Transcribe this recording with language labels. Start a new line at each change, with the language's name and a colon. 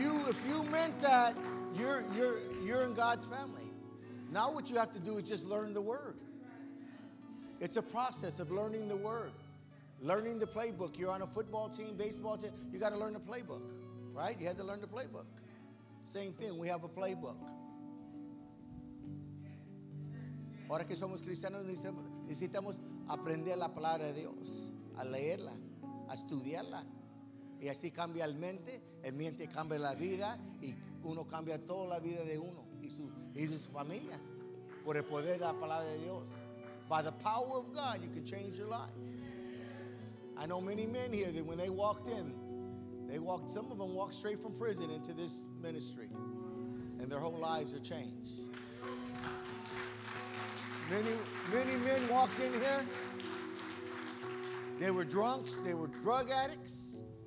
English: If you meant that, you're in God's family. Now what you have to do is just learn the word. It's a process of learning the word, learning the playbook. You're on a football team, baseball team. You got to learn the playbook, right? You had to learn the playbook. Same thing. We have a playbook.
Spanish: Ahora que somos cristianos, necesitamos aprender la palabra de Dios, a leerla, a estudiarla. Y así cambia el mente cambia la vida y uno cambia toda la vida de uno y su familia por el poder de la palabra de Dios.
English: By the power of God, you can change your life. I know many men here that when they walked in, some of them walked straight from prison into this ministry and their whole lives are changed. Many men walked in here. They were drunks, they were drug addicts.